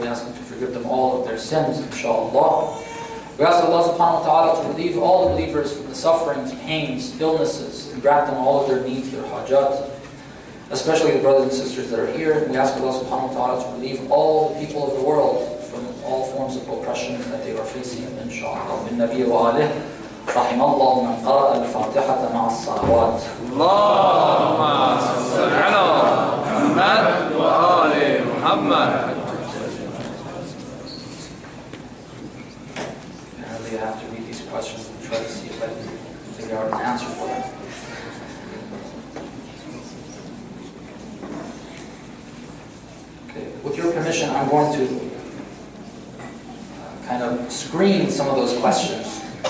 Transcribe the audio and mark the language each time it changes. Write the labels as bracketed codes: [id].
[en] We ask Him to forgive them all of their sins, inshallah. We ask Allah subhanahu wa ta'ala to relieve all the believers from the sufferings, pains, illnesses, and grant them all of their needs, their hajat. Especially the brothers and sisters that are here, we ask Allah subhanahu wa ta'ala to relieve all the people of the world from all forms of oppression that they are facing, inshallah. [ar] Min Nabi wa alih. رحم الله من قرأ الفاتحة مع الصلوات اللهم صل على محمد وآل محمد. [en] Apparently I have to read these questions and try to see if I can figure out an answer for them. Okay, with your permission, I'm going to kind of screen some of those questions.